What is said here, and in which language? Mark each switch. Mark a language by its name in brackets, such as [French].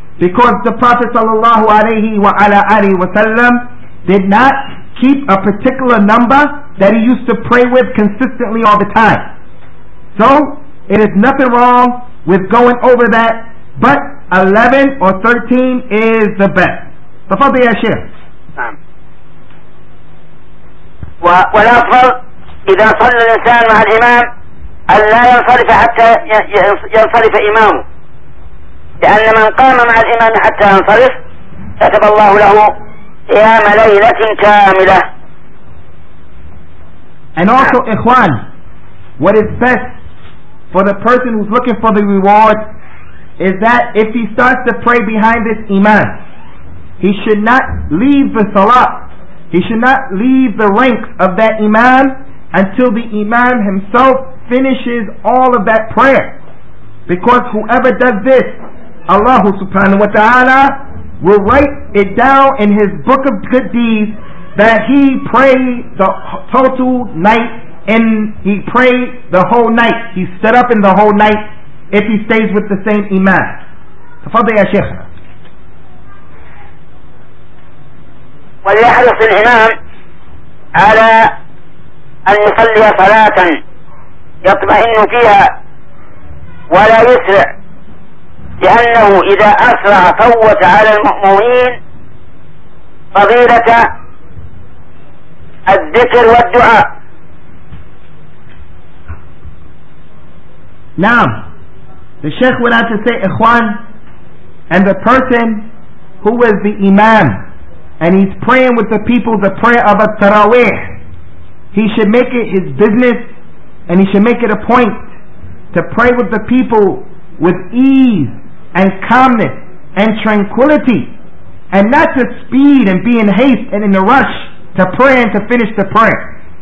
[English] Because the Prophet sallallahu alayhi wa ala alayhi wa sallam did not keep a particular number that he used to pray with consistently all the time. So, it is nothing wrong with going over that, but 11 or 13 is the best. [Arabic] Tafadhi ya Sheikh. والأفضل إذا صلى الإنسان مع الإمام أن لا ينصرف حتى ينصرف إمامه، لأن من قام مع الإمام حتى ينصرف كتب الله له قيام ليلة كاملة. [English] And also إخوان, what is best for the person who's looking for the reward is that if he starts to pray behind this Imam, he should not leave the Salah. He should not leave the ranks of that Imam until the Imam himself finishes all of that prayer. Because whoever does this, Allah subhanahu wa ta'ala will write it down in his book of good deeds that he prayed the total night and he prayed the whole night. He stood up in the whole night if he stays with the same Imam. [Arabic] Tafadhal ya Sheikh. وليحرص الإمام على أن يصلي صلاة يطمئن فيها ولا يسرع، لأنه إذا أسرع فوت على المؤمنين فضيلة الذكر والدعاء. نعم. [English] The Sheikh went on to say, إخوان, and the person who is the Imam and he's praying with the people the prayer of a Taraweeh, he should make it his business and he should make it a point to pray with the people with ease and calmness and tranquility, and not to speed and be in haste and in a rush to pray and to finish the prayer.